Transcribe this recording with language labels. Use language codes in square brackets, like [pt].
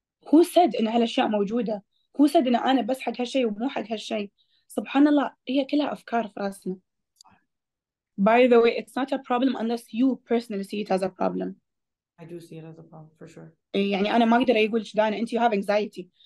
[en] Who said [ar] إن هالأشياء موجودة؟ Who said إن أنا بس حق هالشيء ومو حق هالشيء؟ سبحان الله هي كلها أفكار في راسنا. [en] By the way, it's not a problem unless you personally see it as a problem. I do see it as a problem, for sure. [ar] يعني أنا ما أقدر أقول لك دانا أنت [en] you have anxiety.